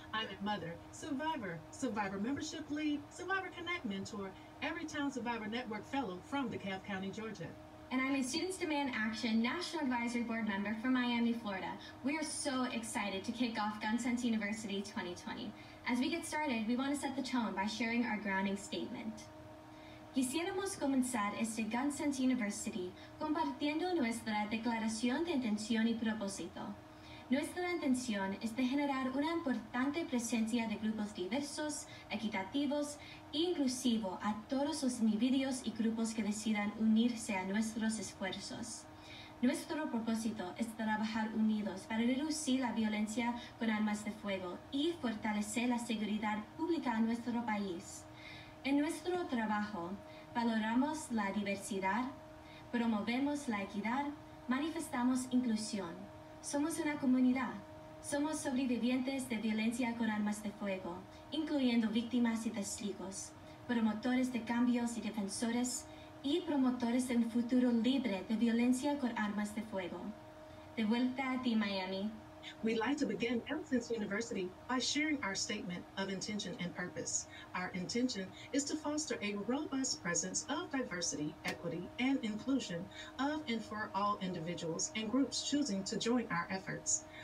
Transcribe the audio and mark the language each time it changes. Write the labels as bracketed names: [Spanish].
[English] I'm a mother, survivor, survivor membership lead, Survivor Connect mentor, Everytown Survivor Network fellow from DeKalb County, Georgia. And I'm a Students Demand Action National Advisory Board member from Miami, Florida. We are so excited to kick off Dentons University 2020. As we get started, we want to set the tone by sharing our grounding statement. [Spanish] Quisiéramos comenzar este Dentons University compartiendo nuestra declaración de intención y propósito. Nuestra intención es de generar una importante presencia de grupos diversos, equitativos e inclusivo a todos los individuos y grupos que decidan unirse a nuestros esfuerzos. Nuestro propósito es trabajar unidos para reducir la violencia con armas de fuego y fortalecer la seguridad pública en nuestro país. En nuestro trabajo, valoramos la diversidad, promovemos la equidad, manifestamos inclusión. Somos una comunidad. Somos sobrevivientes de violencia con armas de fuego, incluyendo víctimas y testigos, promotores de cambios y defensores, y promotores de un futuro libre de violencia con armas de fuego. De vuelta a ti, Miami. [English] We'd like to begin Dentons University by sharing our statement of intention and purpose. Our intention is to foster a robust presence of diversity, equity, and inclusion of and for all individuals and groups choosing to join our efforts.